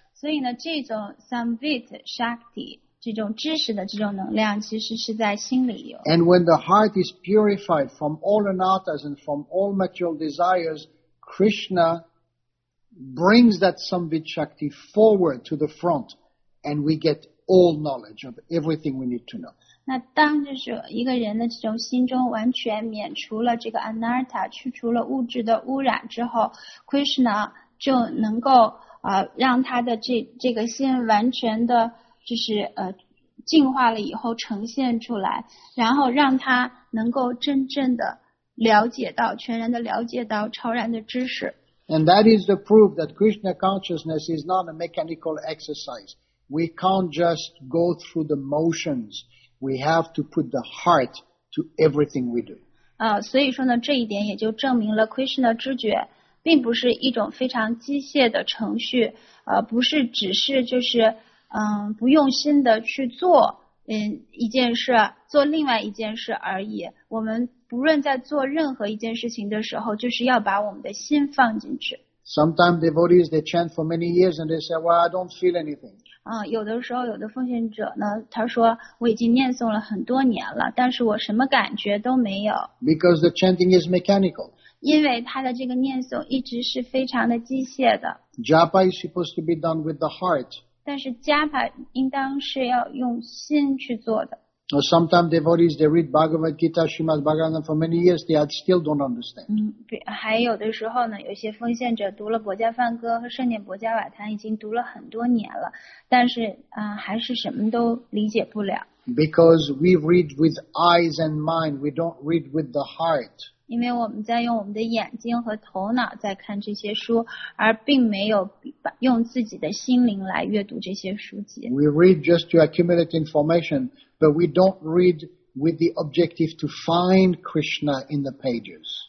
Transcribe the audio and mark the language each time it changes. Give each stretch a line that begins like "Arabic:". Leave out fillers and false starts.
Chinese: 所以呢，这种 Samvit Shakti, 这种知识的这种能量其实是在心里有。
English: And when the heart is purified from all anattas and from all material desires, Krishna brings that Samvit Shakti forward to the front and we get all knowledge of everything we need to know.
Chinese: 那当就是一个人的这种心中完全免除了这个 Anatta, 去除了物质的污染之后 Krishna 就能够让他的这个心完全的就是净化了以后呈现出来，然后让他能够真正的了解到全然的了解到超然的知识。
English: And that is the proof that Krishna consciousness is not a mechanical exercise. We can't just go through the motions. We have to put the heart to everything we do.
Chinese: 所以说呢，这一点也就证明了 Krishna 知觉并不是一种非常机械的程序，不是只是就是不用心的去做一件事，做另外一件事而已。我们不论在做任何一件事情的时候，就是要把我们的心放进去。
English: Sometimes devotees they chant for many years and they say, "Well, I don't feel anything."
Chinese: 有的时候有的奉献者呢，他说我已经念诵了很多年了，但是我什么感觉都没有。
English: Because the chanting is mechanical.
Chinese: 因为他的这个念诵一直是非常的机械的。
English: Japa is supposed to be done with the heart.
Chinese: 但是 japa 应当是要用心去做的。
English: Sometimes devotees they read Bhagavad Gita, Srimad Bhagavatam for many years, they still don't understand.
Chinese: 还有的时候呢，有些奉献者读了《薄伽梵歌》和《圣念薄伽瓦坛》，已经读了很多年了，但是还是什么都理解不了。
English: Because we read with eyes and mind, we don't read with the heart.
Chinese: 因为我们在用我们的眼睛和头脑在看这些书，而并没有用自己的心灵来阅读这些书籍。
English: We read just to accumulate information. But we don't read with the objective to find Krishna in the pages.